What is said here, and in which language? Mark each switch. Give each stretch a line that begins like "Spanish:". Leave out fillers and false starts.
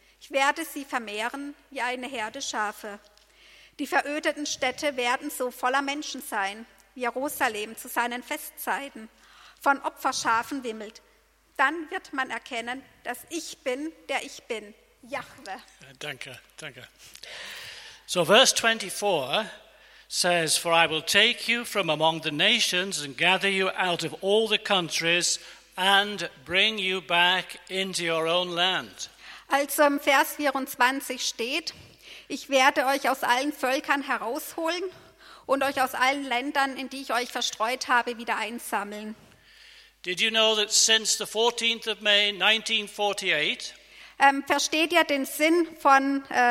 German: Ich werde sie vermehren wie eine Herde Schafe. Die verödeten Städte werden so voller Menschen sein, wie Jerusalem zu seinen Festzeiten von Opferschafen wimmelt. Dann wird man erkennen, dass ich bin, der ich bin, Jahwe. Danke, danke.
English: So verse 24 says, For I will take you from among the nations and gather you out of all the countries and bring you back into your own land.
German: Also im Vers 24 steht, Ich werde euch aus allen Völkern herausholen und euch aus allen Ländern, in die ich euch verstreut habe, wieder einsammeln.
English: Did you know that since the 14th of May 1948?
German: Versteht ihr den Sinn von